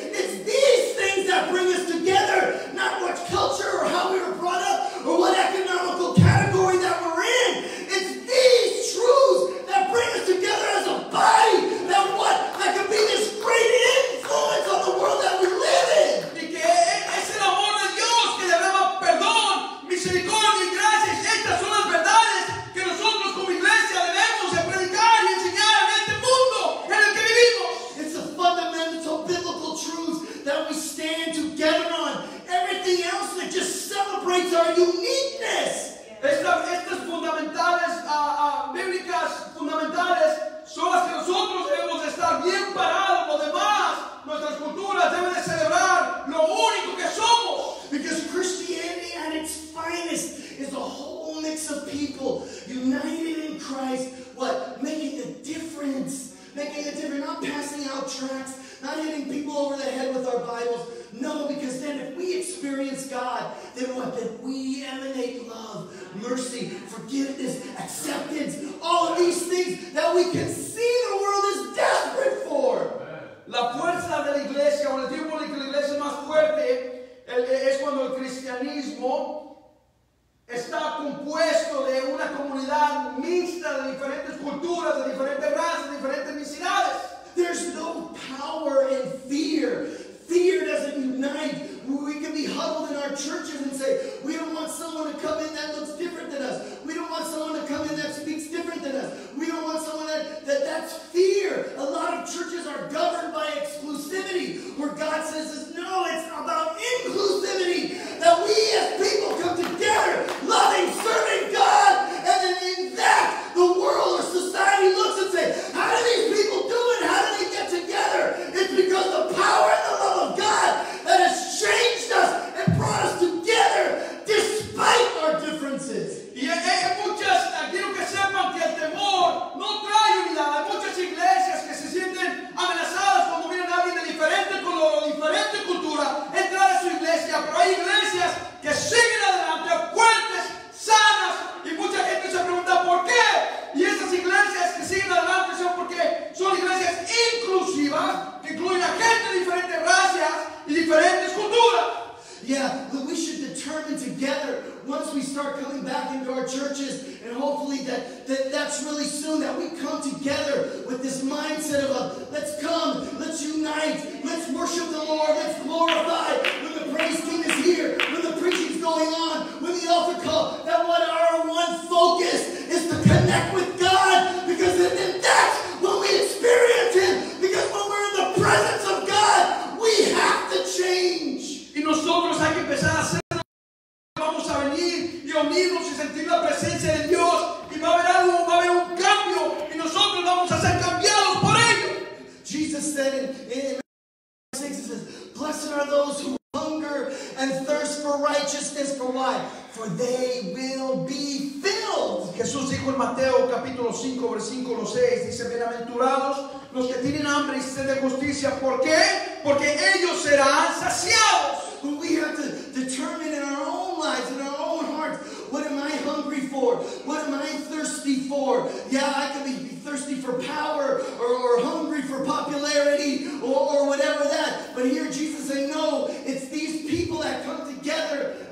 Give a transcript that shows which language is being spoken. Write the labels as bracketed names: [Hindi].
[English] It's these things that bring us together, not what culture or how we were brought up or what economical category that we're in. It's these truths that bring us together as a body, that what that can be this great influence on the world that we live in. [Spanish] Y que es el amor de Dios que derrama perdón, misericordia y gracias. Estas son las verdades que nosotros como iglesia debemos de predicar y enseñar en este mundo en el que vivimos. [English] It's the fundamental biblical truths that we stand together on. Everything else that just celebrates our uniqueness. [Spanish] Estas fundamentales, bíblicas fundamentales, son las que nosotros debemos estar bien parados. Lo demás, nuestras culturas deben de celebrar lo único que somos. [English] Because Christianity at its finest is a whole mix of people united in Christ, what? Making a difference. Making a difference. Not passing out tracts. Not hitting people over the head with our Bibles. No, because then if we experience God, then what? Then we emanate love, mercy, forgiveness, acceptance, all of these things that we can see the world is desperate for. [Spanish] La fuerza de la iglesia, o el tiempo de la iglesia más fuerte, es cuando el cristianismo está compuesto de una comunidad mixta de diferentes culturas, de diferentes razas, de diferentes etnicidades. [English] There's no power in fear. Fear doesn't unite. We can be huddled in our churches and say, we don't want someone to come in that looks different than us. We don't want someone to come in that speaks different than us. We don't want someone that's fear. A lot of churches are governed by exclusivity, where God says, no, it's about inclusivity, that we as people come together, loving, serving God, and then in that, the world or society looks and say, how do these people do it? How do they get together? It's because the power and the love of God that has changed us and brought us together despite our differences. [Spanish] Y hay muchas, quiero que sepan que el temor no trae unidad. Hay muchas iglesias que se sienten amenazadas cuando miran a alguien de diferente color o diferente cultura entrar a su iglesia. Pero hay iglesias que siguen adelante, fuertes, sanas. Y mucha gente se pregunta por qué. Y esas iglesias que siguen adelante son porque son iglesias inclusivas, que incluyen a gente de diferentes razas y diferentes culturas. [English] Yeah, but we should determine together once we start coming back into our churches, and hopefully that's really soon, that we come together with this mindset of a let's come, let's unite, let's worship the Lord, let's glorify when the praise team is here, when the preaching's going on, when the altar call, that what our one focus is to connect with God, because then that's when we experience Him, because when we're in the presence of God, we have to change. [Spanish] Y nosotros hay que empezar a hacer. Vamos a venir y unirnos y sentir la presencia de Dios, y va a haber algo, va a haber un cambio, y nosotros vamos a ser cambiados por ello. [English] Jesus said in Matthew 6, he says, blessed are those who hunger and thirst for righteousness, for why? For they will be filled. [Spanish] Jesús dijo en Mateo capítulo 5, versículo 6, dice, bienaventurados los que tienen hambre y sed de justicia, ¿por qué? Porque ellos serán saciados. [English] But we have to determine in our own lives, in our own hearts, what am I hungry for? What am I thirsty for? Yeah, I could be thirsty for power or hungry for popularity or whatever that. But here Jesus is saying, no, it's these people that come together